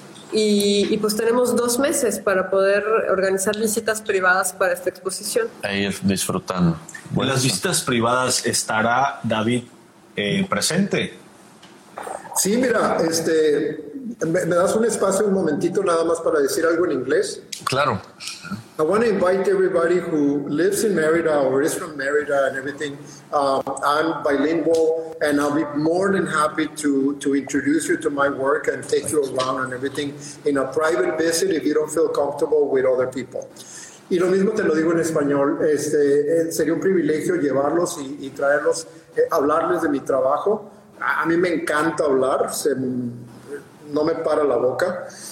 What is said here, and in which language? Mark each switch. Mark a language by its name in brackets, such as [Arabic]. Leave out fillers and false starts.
[Spanish] Y pues tenemos 2 meses para poder organizar visitas privadas para esta exposición. Ahí disfrutando. Bueno, las visitas privadas, ¿estará David presente? Sí, mira, ¿me das un espacio un momentito nada más para decir algo en inglés? Claro. [English] I want to invite everybody who lives in Mérida or is from Mérida and everything. I'm bilingual and I'll be more than happy to introduce you to my work and take you around and everything in a private visit if you don't feel comfortable with other people. [Spanish] Y lo mismo te lo digo en español. Sería un privilegio llevarlos y traerlos, hablarles de mi trabajo. A mí me encanta hablar, no me para la boca.